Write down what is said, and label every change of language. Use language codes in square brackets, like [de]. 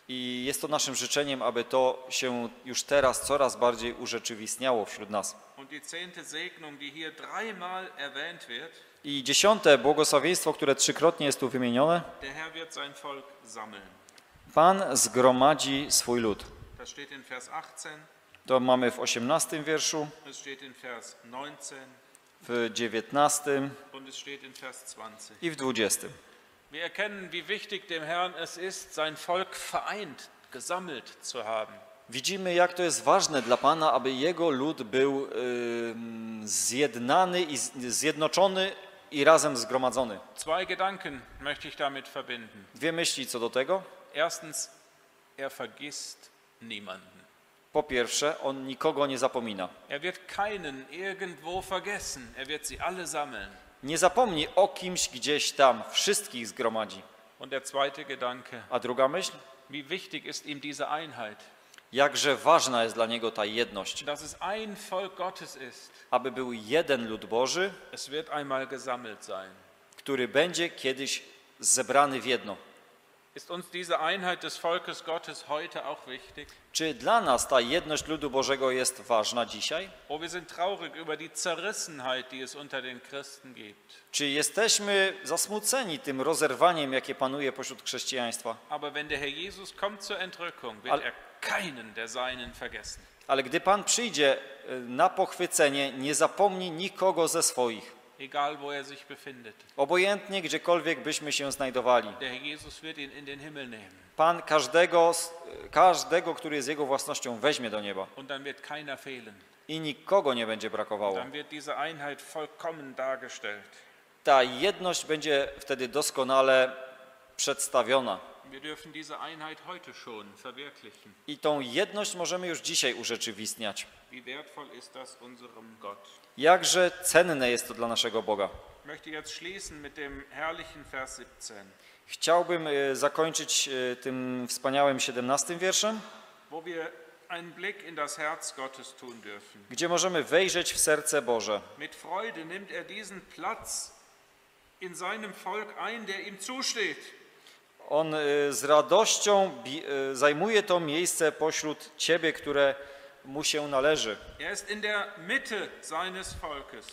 [pl] I jest to naszym życzeniem, aby to się już teraz coraz bardziej urzeczywistniało wśród nas. [de] Und die zehnte Segnung, die hier dreimal erwähnt wird, [pl] i dziesiąte błogosławieństwo, które trzykrotnie jest tu wymienione. [de] Der Herr wird sein Volk sammeln. [pl] Pan zgromadzi swój lud. [de] Das steht in Vers 18. [pl] To mamy w 18 wierszu. [de] Das steht in Vers 19. [pl] W 19. [de] Und es steht in Vers 20. [pl] I w 20. [de] Wir erkennen, wie wichtig dem Herrn es ist, sein Volk vereint, gesammelt zu haben. [pl] Widzimy, jak to jest ważne dla Pana, aby jego lud był zjednany i zjednoczony i razem zgromadzony. [de] Zwei Gedanken möchte ich damit verbinden. [pl] Dwie myśli co do tego. [de] Erstens, er vergisst niemanden. [pl] Po pierwsze, on nikogo nie zapomina. [de] Er wird keinen irgendwo vergessen, er wird sie alle sammeln. [pl] Nie zapomni o kimś gdzieś tam, wszystkich zgromadzi. [de] Und der zweite Gedanke. [pl] A druga myśl? [de] Wie wichtig ist ihm diese Einheit. [pl] Jakże ważna jest dla niego ta jedność. [de] Dass es ein Volk Gottes ist. [pl] Aby był jeden lud Boży. [de] Es wird einmal gesammelt sein. [pl] Który będzie kiedyś zebrany w jedno. [de] Ist uns diese Einheit des Volkes Gottes heute auch wichtig? [pl] Czy dla nas ta jedność ludu Bożego jest ważna dzisiaj? [de] O, wir sind traurig über die Zerrissenheit, die es unter den Christen gibt. [pl] Czy jesteśmy zasmuceni tym rozerwaniem, jakie panuje pośród chrześcijaństwa? [de] Aber wenn der Herr Jesus kommt zur Entrückung, wird er keinen der Seinen vergessen. [pl] Ale gdy Pan przyjdzie na pochwycenie, nie zapomni nikogo ze swoich. [de] Egal wo er sich befindet. [pl] Obojętnie gdziekolwiek byśmy się znajdowali. [de] Der Jesus wird ihn in den Himmel nehmen. [pl] Pan każdego, który jest jego własnością, weźmie do nieba. [de] Und dann wird keiner fehlen. [pl] I nikogo nie będzie brakowało. [de] Dann wird diese Einheit vollkommen dargestellt. [pl] Ta jedność będzie wtedy doskonale przedstawiona. [de] Wir dürfen diese Einheit heute schon verwirklichen. [pl] I tą jedność możemy już dzisiaj urzeczywistniać. [de] Wie wertvoll ist das unserem Gott. [pl] Jakże cenne jest to dla naszego Boga. [de] Möchte jetzt schließen mit dem herrlichen Vers 17. [pl] Chciałbym zakończyć tym wspaniałym 17 wierszem. [de] Wo wir einen Blick in das Herz Gottes tun dürfen. [pl] Gdzie możemy wejrzeć w serce Boże. [de] Mit Freude nimmt er diesen Platz in seinem Volk ein, der ihm zusteht. [pl] On z radością zajmuje to miejsce pośród ciebie, które mu się należy. [de] Er ist in der Mitte seines Volkes.